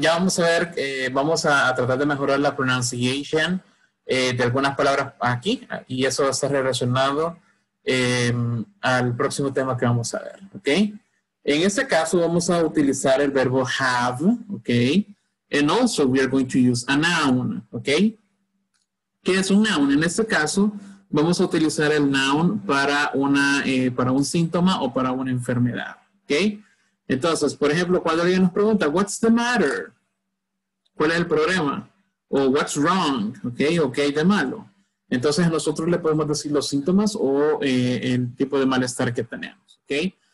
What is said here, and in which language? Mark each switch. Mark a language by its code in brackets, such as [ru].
[es] Ya vamos a ver, vamos a tratar de mejorar la pronunciation de algunas palabras aquí, y eso va a estar relacionado al próximo tema que vamos a ver, ¿ok? En este caso vamos a utilizar el verbo have, ¿ok? [en] And also we are going to use a noun, ¿ok? [es] ¿Qué es un noun? En este caso vamos a utilizar el noun para una para un síntoma o para una enfermedad, ¿ok? Entonces, por ejemplo, cuando alguien nos pregunta [en] what's the matter, [es] ¿cuál es el problema? O [en] what's wrong, [es] ¿ok? ¿O qué hay de malo? Entonces nosotros le podemos decir los síntomas o el tipo de malestar que tenemos, ¿ok?